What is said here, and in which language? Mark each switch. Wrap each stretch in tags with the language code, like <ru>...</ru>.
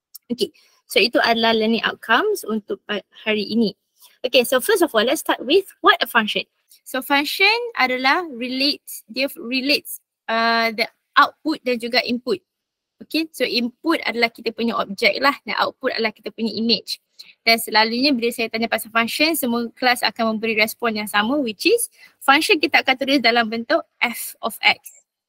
<ms>Okay, so itu adalah learning outcomes untuk hari ini.</ms> <en>Okay, so first of all, let's start with what a function. So function adalah relates the output dan juga input.</en> <ms>Okay, so input adalah kita punya objek lah dan output adalah kita punya image. Dan selalunya bila saya tanya pasal function, semua kelas akan memberi respon yang sama, which is function kita akan tulis dalam bentuk f of x.</ms>